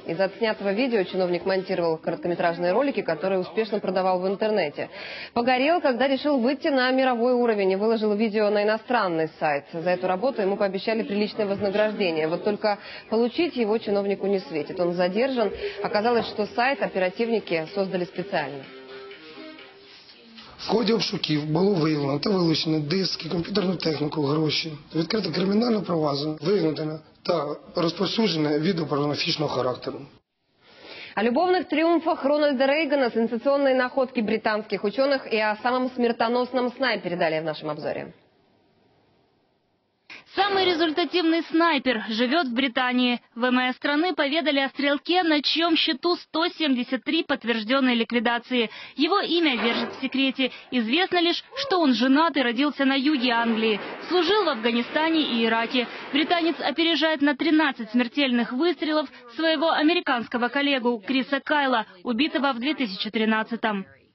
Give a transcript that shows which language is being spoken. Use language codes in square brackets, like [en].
[ru] Из отснятого видео чиновник монтировал короткометражные ролики, которые успешно продавал в интернете. Погорел, когда решил выйти на мировой уровень и выложил видео на иностранный сайт. За эту работу ему пообещали приличное вознаграждение. Вот только получить его чиновнику не светит. Он задержан. Оказалось, что сайт оперативники создали специально. [uk] В ході обшуків було виявлено та вилучено диски, комп'ютерну техніку, гроші. Відкрите кримінальне провадження, вигнане та розповсюджене відео порнографічного характеру. О любовних тріумфах Рональда Рейгана, сенсаційної находки британських ученых і о самому смертоносному снайпері далі в нашому обзорі. [ru] Самый результативный снайпер живет в Британии. ВМС страны поведали о стрелке, на чьем счету 173 подтвержденные ликвидации. Его имя держит в секрете. Известно лишь, что он женат и родился на юге Англии. Служил в Афганистане и Ираке. Британец опережает на 13 смертельных выстрелов своего американского коллегу Криса Кайла, убитого в 2013-м.